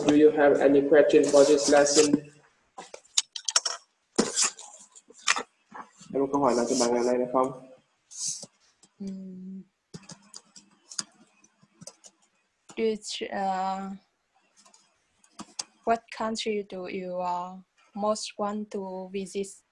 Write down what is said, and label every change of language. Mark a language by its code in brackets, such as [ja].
[en] Do you have any question for this lesson? [vi] Em có câu hỏi nào cho bạn ngày nay được không? [en] What country do you most want to visit?